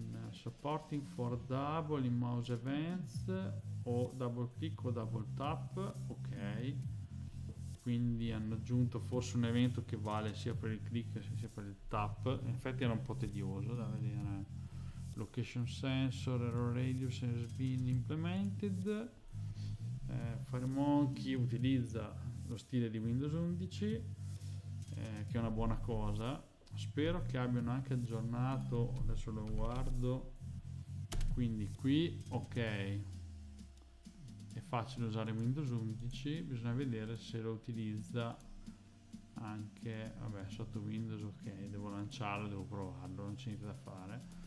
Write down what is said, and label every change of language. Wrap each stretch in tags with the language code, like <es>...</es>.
<en>Supporting for double in mouse events o double click o double tap,</en> <it>ok, quindi hanno aggiunto forse un evento che vale sia per il click sia per il tap. In effetti era un po' tedioso da vedere.</it> <en>Location sensor, error radius has been implemented.</en> <it>FireMonkey utilizza lo stile di Windows 11, che è una buona cosa. Spero che abbiano anche aggiornato, adesso lo guardo, quindi qui, ok, è facile usare Windows 11, bisogna vedere se lo utilizza anche, vabbè, sotto Windows, ok, devo lanciarlo, devo provarlo, non c'è niente da fare.</it>